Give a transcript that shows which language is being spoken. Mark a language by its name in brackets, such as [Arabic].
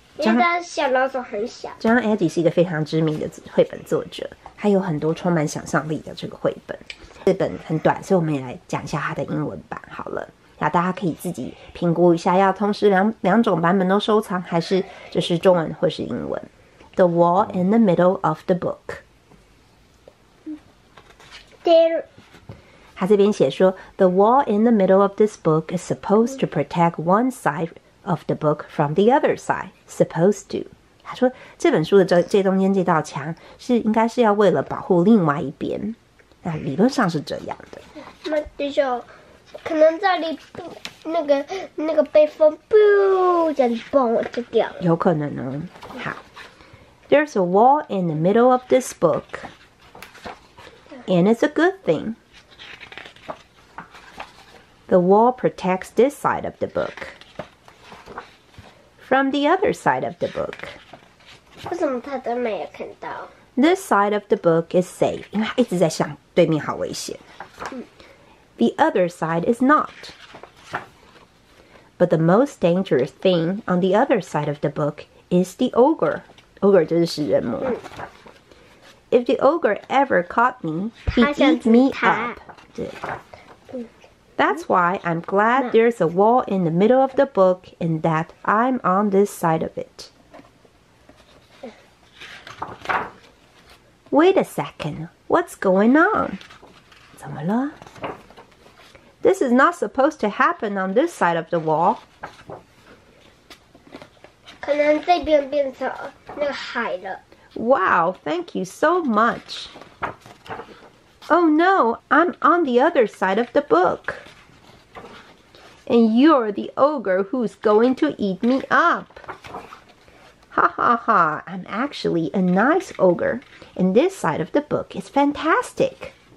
[Chinese] 因为小老鼠很小。 John Agee 是一个非常知名的绘本作者，他有很多充满想象力的这个绘本。这本很短，所以我们也来讲一下它的英文版好了。然后大家可以自己评估一下，要同时两种版本都收藏，还是就是中文或是英文。 [English] The wall in the middle of the book. There. [Chinese] 他这边写说 [English] ，The wall in the middle of this book is supposed to protect one side of the book from the other side. Supposed to. [Chinese] 他说这本书的这中间这道墙是应该是要为了保护另外一边。那理论上是这样的。那就是可能这里那个被风噗这样蹦就掉了，有可能哦。 [English] 好， There's a wall in the middle of this book and it's a good thing. The wall protects this side of the book from the other side of the book. [Chinese] 为什么他都没有看到？ [English] This side of the book is safe. [Chinese] 因为它一直在向对面，好危险。 [English] The other side is not. But the most dangerous thing on the other side of the book is the ogre. Ogre [Chinese] 就是食人魔。 [English] If the ogre ever caught me, he'd eat me up. [Chinese] 对。 [English] That's why I'm glad there's a wall in the middle of the book and that I'm on this side of it. Wait a second, what's going on? [Chinese] 怎么了? [English] This is not supposed to happen on this side of the wall. [Chinese] 可能这边变成那个海了。 [English] Wow, thank you so much. Oh no, I'm on the other side of the book. And you're the ogre who's going to eat me up. Ha ha ha, I'm actually a nice ogre, and this side of the book is fantastic.